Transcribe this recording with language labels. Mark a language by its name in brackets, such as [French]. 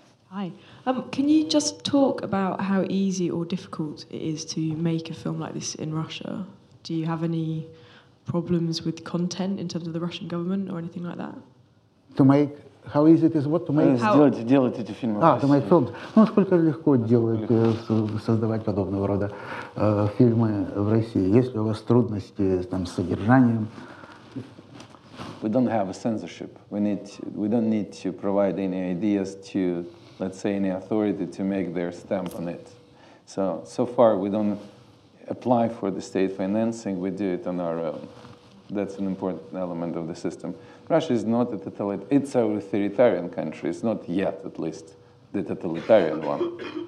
[English] Hi. Can you just talk about how easy or difficult it is to make a film like this in Russia? Do you have any problems with content in terms of the Russian government or anything like that? To make... How easy it is what to make... [Russian] Сделать эти фильмы. [English] To make films. [Russian] Ну, насколько легко создавать подобного рода фильмы в России? Есть ли у вас трудности там, с содержанием? [English] We don't have a censorship. We don't need to provide any ideas to, let's say, any authority to make their stamp on it. So far we don't apply for the state financing, we do it on our own. That's an important element of the system. Russia is not a totalitarian, it's a authoritarian country, it's not yet, at least, the totalitarian one.